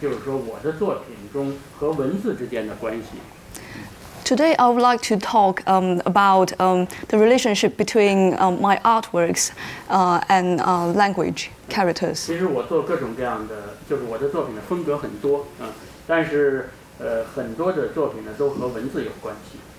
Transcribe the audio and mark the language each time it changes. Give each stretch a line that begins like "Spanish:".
Chinese: 就是说我的作品中和文字之间的关系。
English: Today, I would like to talk about the relationship between my artworks and language characters.
Chinese: 其实我做各种各样的，就是我的作品的风格很多，但是很多的作品呢都和文字有关系。